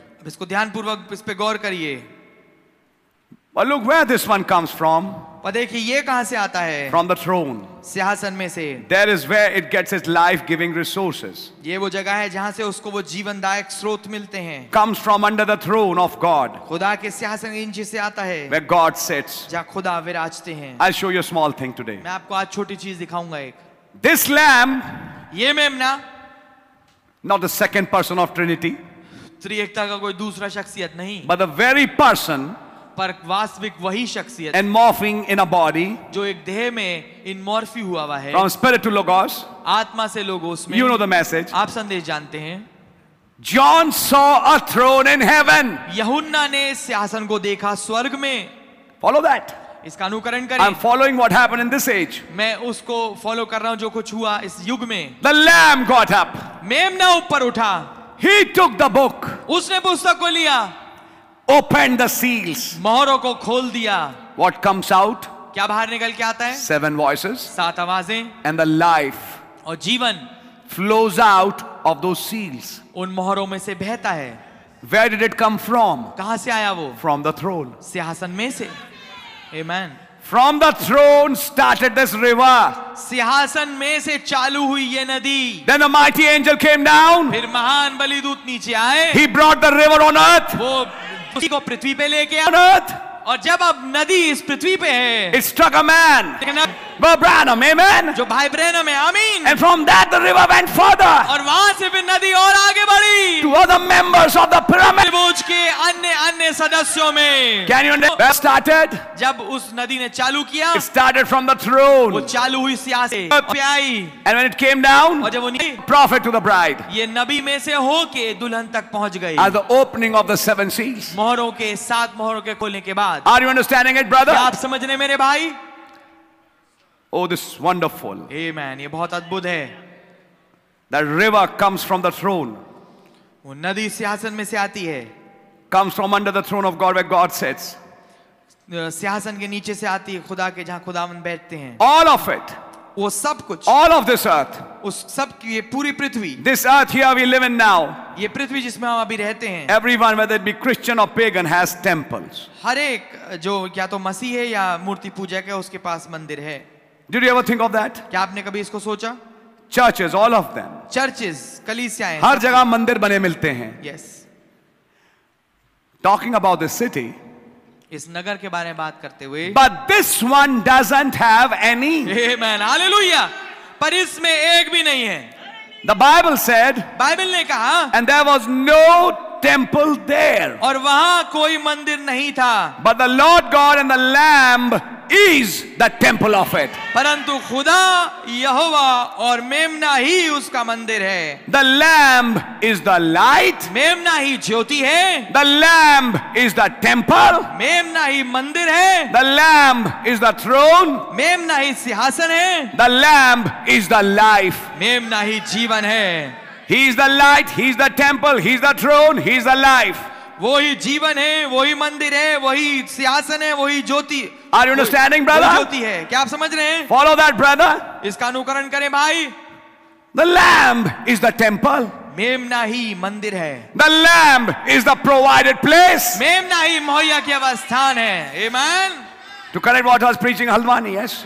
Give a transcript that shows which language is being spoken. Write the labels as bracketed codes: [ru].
[hi] अब इसको ध्यानपूर्वक इस पे गौर करिए. [en] But look where this one comes from. [hi] पर देखिए ये कहां से आता है? [en] From the throne. [hi] सिंहासन में से. [en] There is where it gets its life-giving resources. [hi] ये वो जगह है जहां से उसको वो जीवनदायक स्रोत मिलते हैं. [en] Comes from under the throne of God. [hi] खुदा के सिंहासन के नीचे से आता है. [en] Where God sits. [hi] जहां खुदा विराजते हैं. [en] I'll show you a small thing today. [hi] मैं आपको आज छोटी चीज दिखाऊंगा एक. [en] This lamb. [hi] ये मेमना. [en] Not the second person of Trinity. [hi] त्रिएकता का कोई दूसरा शख्सियत नहीं. [en] But the very person. [hi] पर वास्तविक वही शख्सियत. [en] And morphing in a body. [hi] जो एक देह में इनमॉर्फी हुआ हुआ है. [en] From spirit to logos. [hi] आत्मा से लोगोस में. [en] You know the message. [hi] आप संदेश जानते हैं. [en] John saw a throne in heaven. [hi] यहुन्ना ने सिंहासन को देखा स्वर्ग में. [en] Follow that. [hi] इसका अनुकरण करें. [en] I'm following what happened in this age. [hi] मैं उसको फॉलो कर रहा हूं जो कुछ हुआ इस युग में. [en] The lamb got up. [hi] मेमना ऊपर उठा. [en] He took the book. [hi] उसने पुस्तक को लिया. [en] Opened the seals. [hi] मोहरों को खोल दिया. [en] What comes out? [hi] क्या बाहर निकल के आता है? [en] Seven voices. [hi] सात आवाजें. [en] And the life. [hi] और जीवन. [en] Flows out of those seals. [hi] उन मोहरों में से बहता है. [en] Where did it come from? [hi] कहां से आया वो? [en] From the throne. [hi] सिंहासन में से. Amen. [en] From the throne started this river. [hi] सिंहासन में से चालू हुई ये नदी. [en] Then a mighty angel came down. [hi] फिर महान बलिदूत नीचे आए. [en] He brought the river on earth. [hi] वो उसी को पृथ्वी पे लेके आए. [en] On earth. [hi] और जब अब नदी इस पृथ्वी पे है. [en] It struck a man. Branham, amen. [hi] जो भाई ब्रैनम है, आमीन. [en] And from that the river went further. [hi] और वहाँ से फिर नदी और आगे बढ़ी. [en] To other members of the pyramid. [hi] त्रिभुज के अन्य सदस्यों में. [en] Can you understand? Where started? [hi] जब उस नदी ने चालू किया. [en] It started from the throne. [hi] वो चालू हुई सियासे. आई. [en] And when it came down. [hi] और जब वो नदी. [en] Prophet to the bride. [hi] ये नबी में से होके दुल्हन तक पहुँच गई. [en] As the opening of the seven seals. [hi] मोहरों के सात मोहरों के खोलने के बाद. [en] Are you understanding it, brother? [hi] आप समझने मेरे भाई. [en] Oh, this is wonderful. [hi] Amen. ये बहुत अद्भुत है. [en] The river comes from the throne. [hi] वो नदी सिंहासन में से आती है. [en] Comes from under the throne of God where God sits. [hi] सिंहासन के नीचे से आती है खुदा के जहां खुदावंद बैठते हैं. [en] All of it. [hi] वो सब कुछ. [en] All of this earth. [hi] उस सब की ये पूरी पृथ्वी. [en] This earth here we live in now. [hi] ये पृथ्वी जिसमें हम अभी रहते हैं. [en] Everyone, whether it be Christian or pagan, has temples. [hi] हर एक जो क्या तो मसीह है या मूर्ति पूजक है उसके पास मंदिर है. [en] Did you ever think of that? [hi] क्या आपने कभी इसको सोचा? [en] Churches, all of them. [hi] Churches, कलीसियाएं. हर जगह मंदिर बने मिलते हैं. [en] Yes. Talking about this city. [hi] इस नगर के बारे में बात करते हुए. [en] But this one doesn't have any. [hi] Amen. Hallelujah. पर इसमें एक भी नहीं है. [en] The Bible said. [hi] बाइबल ने कहा. [en] And there was no temple there. [hi] और वहाँ कोई मंदिर नहीं था. [en] But the Lord God and the Lamb. Is the temple of it. [hi] परंतु खुदा यहोवा और मेमना ही उसका मंदिर है. [en] The lamb is the light. [hi] मेमना ही ज्योति है. [en] The lamb is the temple. [hi] मेमना ही मंदिर है. [en] The lamb is the throne. [hi] मेमना ही सिंहासन है. [en] The lamb is the life. [hi] मेमना ही जीवन है. [en] He is the light. He is the temple. He is the throne. He is the life. [hi] वो ही जीवन है, वो ही मंदिर है, वो ही सिंहासन है, वो ही ज्योति. [en] Are you understanding, brother? [hi] ज्योति है. क्या आप समझ रहे हैं? [en] Follow that, brother. [hi] इसका अनुकरण करें भाई. [en] The lamb is the temple. [hi] मेमना ही मंदिर है. [en] The lamb is the provided place. [hi] मेमना ही मुहैया किया हुआ स्थान है. [en] Amen. To connect what I was preaching, Halwani, yes.